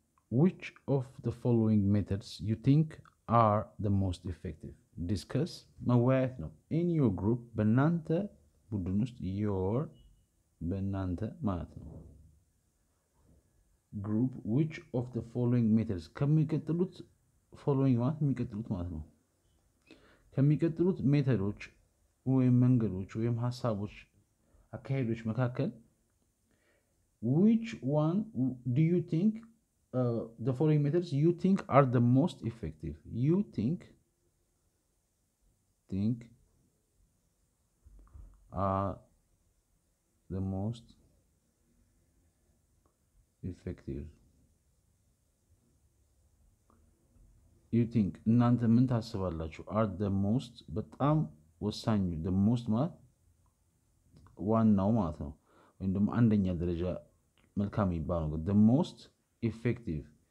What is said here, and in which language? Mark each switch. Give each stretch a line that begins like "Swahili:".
English: Which of the following methods you think are the most effective?
Amharic: Discuss መወያየት ነው.
English: In your group,
Amharic: በእናንተ ቡድን ውስጥ your በእናንተ ማለት ነው.
English: Group, which of the following methods?
Amharic: ከሚቀጥሉት following ማለት የሚቀጥሉት ማለት ነው. ከሚቀጥሉት ሜተዶች ወይም መንገዶች ወይም ሀሳቦች አካሄዶች መካከል
English: Which one do you think the following methods you think are the most effective? You think are the most effective.
Amharic: You think እናንተ ምን ታስባላችሁ? Are the most በጣም ወሳኙ the most ማለት ዋናው ማለት ነው ወይም ደግሞ አንደኛ ደረጃ መልካም ይባላል
English: the most effective